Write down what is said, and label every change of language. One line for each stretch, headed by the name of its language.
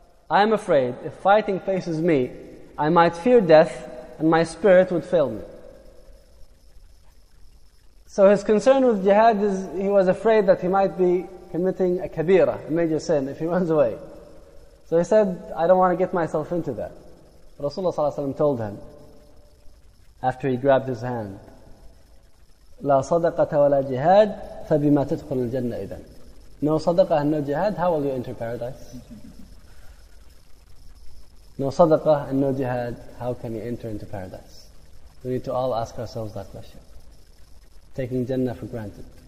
English: I am afraid if fighting faces me, I might fear death and my spirit would fail me. So his concern with jihad is he was afraid that he might be committing a kabira, a major sin, if he runs away. So he said, I don't want to get myself into that. Rasulullah ﷺ told him, after he grabbed his hand,
Arabic: لا صدقة ولا جهاد فبما تدخل الجنة إذن.
English: No صدقة and no jihad, how will you enter paradise? No صدقة and no jihad, how can you enter into paradise? We need to all ask ourselves that question. Taking Jannah for granted.